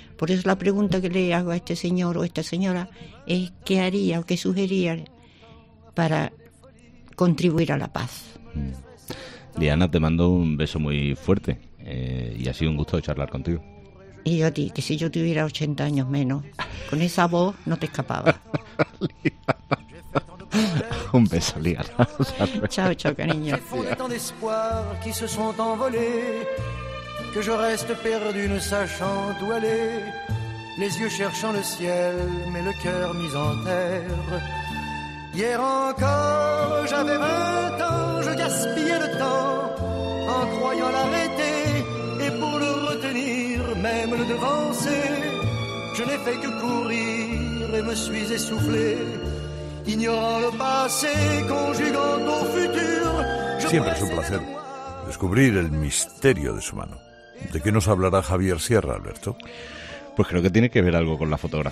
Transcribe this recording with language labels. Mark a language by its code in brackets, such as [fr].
[es] Por eso la pregunta que le hago a este señor o esta señora es qué haría o qué sugeriría para contribuir a la paz. Liana, te mando un beso muy fuerte y ha sido un gusto charlar contigo. Y yo a ti, que si yo tuviera 80 años menos, con esa voz no te escapaba. Un beso, Liana. chao, cariño. [fr] Ces folettons d'espoir qui se sont envolés, que je reste perdu ne sachant où aller, les yeux cherchant le ciel, mais le cœur mis en terre. Hier encore, j'avais 20 ans, je gaspillais le temps, en croyant l'arrêter, et pour le retenir, même le devancer, je n'ai fait que courir et me suis essoufflé. Ignorant le passé, conjugant au futur. [es] Siempre es un placer descubrir el misterio de su mano. ¿De qué nos hablará Javier Sierra, Alberto? Pues creo que tiene que ver algo con la fotografía.